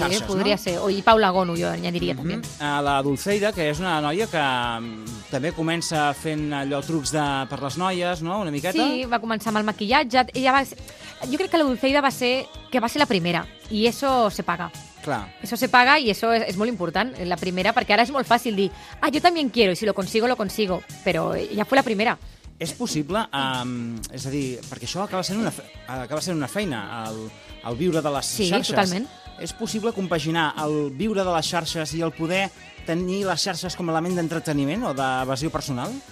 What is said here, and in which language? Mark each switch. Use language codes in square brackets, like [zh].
[ca] no? Sí, podria ser. O i Paula Gono, jo ja diria, també. La Dulceida, que és una noia que també comença fent allò trucs per les noies, no?, una miqueta. Sí, va començar amb el maquillatge. Jo crec que la Dulceida va ser la primera, i això se paga. Clar. [es] Eso se paga y eso es muy importante, la primera, porque ahora es muy fácil dir, ah, yo también quiero, y si lo consigo, lo consigo. Pero ya fue la primera. [ca] És possible, és a dir, perquè això acaba sent una feina, el viure de les sí, xarxes. Sí, totalment. És possible compaginar el viure de les xarxes i el poder tenir les xarxes com a element d'entreteniment o d'evasió personal?